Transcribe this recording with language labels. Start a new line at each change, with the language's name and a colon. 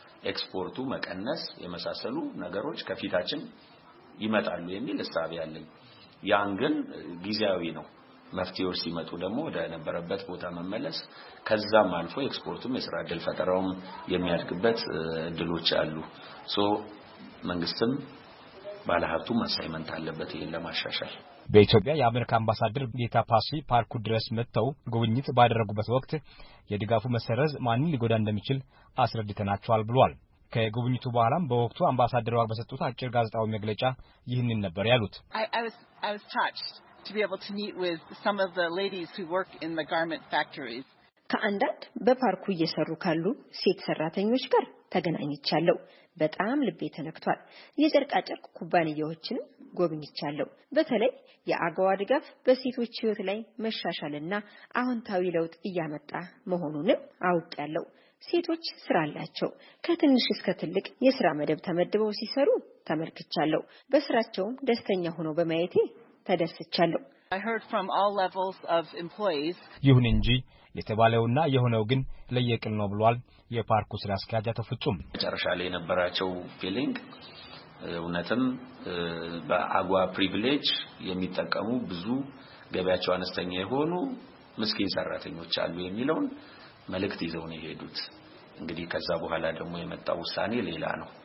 Amharic: ኤክስፖርቱ መቀነስ የመሳሰሉ ነገሮች ከፊታችን ይመጣሉ የሚል ሐሳብ ያለኝ ያን ግን ጊዜያዊ ነው መፍትሄው ሲመጡ ደግሞ ወደ ነበረበት ቦታ መመለስ ከዛም አልፎ ኤክስፖርቱም የሥራ ዕድል ፈጠራውም የሚያድግበት ድሎች አሉ ሶ መንግስትም ባለሀብቱ ማሳይመንት አለበት ይሄን ለማሻሻል በኢትዮጵያ የአሜሪካ አምባሳደር ጌታ ፓሲ ፓርኩ ድረስ መጥተው ጉብኝት ባደረጉበት ወቅት የድጋፉ መሰረዝ ማንን ሊጎዳ እንደሚችል አስረድተናቸዋል ብሏል። ከጉብኝቱ በኋላም በወቅቱ አምባሳደሯ በሰጡት አጭር ጋዜጣዊ መግለጫ ይህንን ነበር ያሉት።
English: I was touched to be able to meet with some of the ladies who work in the garment factories.
Amharic: ከአንዳንድ በፓርኩ እየሰሩ ካሉ ሴት ሰራተኞች ጋር ተገናኝቻለሁ። በጣም ልቤ ተነክቷል። የጨርቃጨርቅ ኩባንያዎችን ጎብኝቻለሁ። በተለይ የአጓ ድጋፍ በሴቶች ህይወት ላይ መሻሻልና አሁንታዊ ለውጥ እያመጣ መሆኑንም አውቃለሁ። ሴቶች ስራ አላቸው። ከትንሽ እስከ ትልቅ የስራ መደብ ተመድበው ሲሰሩ ተመልክቻለሁ። በስራቸው ደስተኛ ሆኖ በማየቴ ተደስቻለሁ።
English: I heard from all levels of employees.
Amharic: ይሁን እንጂ የተባለውና የሆነው ግን ለየቅል ነው ብሏል። የፓርኩ ስራ አስኪያጅ ተፈጽሙ መጨረሻ ላይ የነበረው ፊሊንግ እውነትም በአጓ ፕሪቪሌጅ የሚጠቀሙ ብዙ ገበያቸው አነስተኛ የሆኑ ምስኪን ሰራተኞች አሉ የሚለውን መልእክት ይዘው ነው የሄዱት። እንግዲህ ከዛ በኋላ ደግሞ የመጣው ውሳኔ ሌላ ነው።